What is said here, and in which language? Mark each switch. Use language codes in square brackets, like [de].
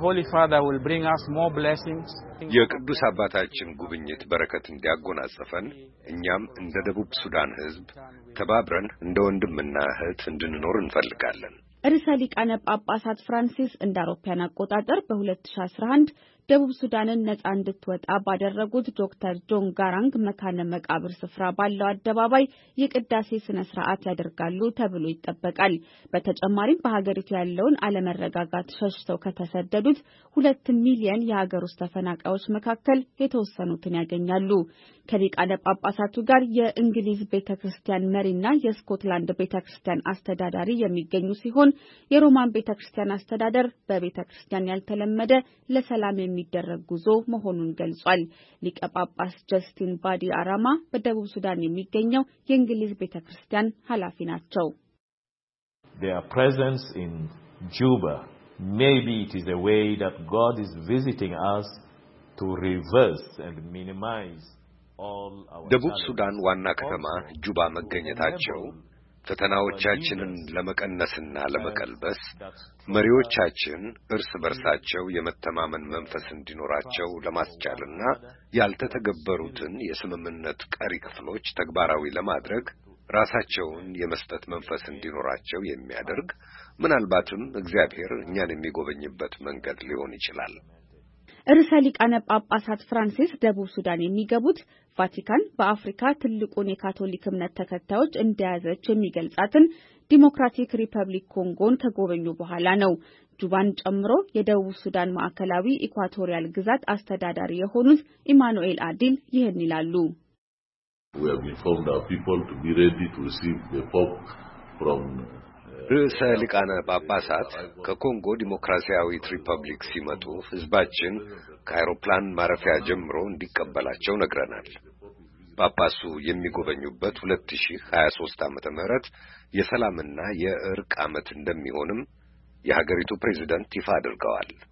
[en] We would like to see that the visit of the Holy Father will bring us more blessings. [am] የቅዱስ አባታችን ጉብኝት በረከት እንዲያጎናጽፈን እኛም እንደ ደቡብ ሱዳን ህዝብ ተባብረን እንደ ወንድምና እህት እንድንኖር እንፈልጋለን። ርዕሰ ሊቃነ ጳጳሳት ፍራንሲስ እንደ አውሮፓውያን አቆጣጠር በ2011 ደቡብ ሱዳንን ነጻ እንድትወጣ ባደረጉት ዶክተር ጆን ጋራንግ መካነ መቃብር ስፍራ ባለው አደባባይ የቅዳሴ ስነ ስርዓት ያደርጋሉ ተብሎ ይጠበቃል። በተጨማሪም በሀገሪቱ ያለውን አለመረጋጋት ሸሽተው ከተሰደዱት 2 ሚሊዮን የሀገር ውስጥ ተፈናቃዮች መካከል የተወሰኑትን ያገኛሉ። ከሊቃነ ጳጳሳቱ ጋር የእንግሊዝ ቤተክርስቲያን መሪና የስኮትላንድ ቤተክርስቲያን አስተዳዳሪ የሚገኙ ሲሆን የሮማን ቤተክርስቲያን አስተዳደር በቤተክርስቲያን ያልተለመደ ለሰላም የሚደረግ ጉዞ መሆኑን ገልጿል። ሊቀ ጳጳስ ጀስቲን ባዲ አራማ በደቡብ ሱዳን የሚገኘው የእንግሊዝ ቤተክርስቲያን ኃላፊ ናቸው። [en] their presence in Juba. Maybe it is a way that God is visiting us to reverse and minimize all our [am] ደቡብ ሱዳን ዋና ከተማ ጁባ መገኘታቸው ፈተናዎቻችንን ለመቀነስና ለመቀልበስ መሪዎቻችን እርስ በርሳቸው የመተማመን መንፈስ እንዲኖራቸው ለማስቻልና ያልተተገበሩትን የስምምነት ቀሪ ክፍሎች ተግባራዊ ለማድረግ ራሳቸውን የመስጠት መንፈስ እንዲኖራቸው የሚያደርግ ምናልባትም እግዚአብሔር እኛን የሚጎበኝበት መንገድ ሊሆን ይችላል። ርዕሰ ሊቃነ ጳጳሳት ፍራንሲስ ደቡብ ሱዳን የሚገቡት ቫቲካን በአፍሪካ ትልቁን የካቶሊክ እምነት ተከታዮች እንዲያዘች የሚገልጻትን ዲሞክራቲክ ሪፐብሊክ ኮንጎን ተጎበኙ በኋላ ነው። ጁባን ጨምሮ የደቡብ ሱዳን ማዕከላዊ ኢኳቶሪያል ግዛት አስተዳዳሪ የሆኑት ኢማኑኤል አዲል ይህን ይላሉ። [en] We have informed our people to be ready to receive the Pope from [am] ርዕሰ ሊቃነ ጳጳሳት ከኮንጎ ዲሞክራሲያዊ ሪፐብሊክ ሲመጡ ህዝባችን ከአይሮፕላን ማረፊያ ጀምሮ እንዲቀበላቸው ነግረናል። ጳጳሱ የሚጎበኙበት 2023 ዓመተ ምህረት የሰላምና የእርቅ ዓመት እንደሚሆንም የሀገሪቱ ፕሬዝዳንት ይፋ አድርገዋል።